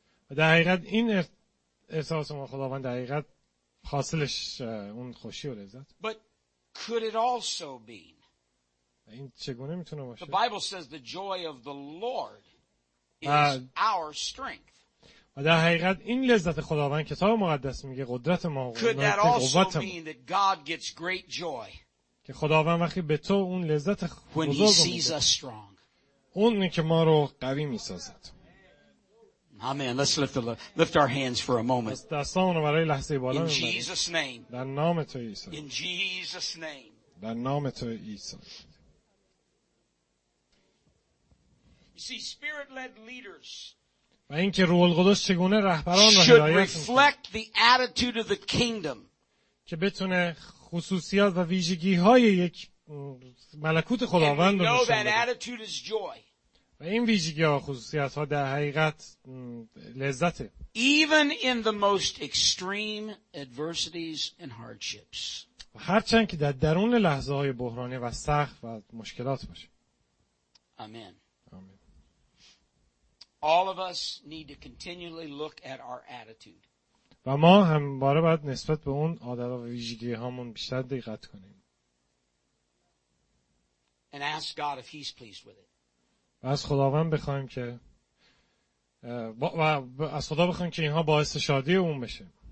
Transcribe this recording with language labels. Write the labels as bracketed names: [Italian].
[Persian] و در حقیقت این احساس ما خداوند در حقیقت حاصلش اون خوشی و لذت. [English] But could it also be? [Persian] این چگونه میتونه باشه؟ [English] The Bible says the joy of the Lord is our strength. [Persian] و در حقیقت این لذت خداوند کتاب مقدس میگه قدرت ما و قوت ما. [English] That God gets great joy. [Persian] که خداوند وقتی به تو اون لذت بزرگ [English] When he sees us strong. [Persian] اونی که ما رو قوی می‌سازد. [English] Amen. Let's lift the lift our hands for a moment. In Jesus' name. In Jesus' name. You see, spirit-led leaders should reflect the attitude of the kingdom. [Persian] که بتونه خصوصیات و ویژگی‌های یک ملکوت خداوند رو نشون بده. و این ویژگی‌ها و خصوصیت‌ها در حقیقت لذته. [English] Even in the most extreme adversities and hardships. [Persian] و هرچند که در درون لحظه‌های بحرانی و سخت و مشکلات باشه. آمین. آمین. [English] All of us need to continually look at our attitude. [Persian] و ما همواره باید نسبت به اون عادت‌ها و ویژگی‌هامون بیشتر دقت کنیم. [English] And ask God if he's pleased with it. [Persian] و از خداوند بخوایم که و از خدا بخوایم که اینها باعث شادی اون بشه.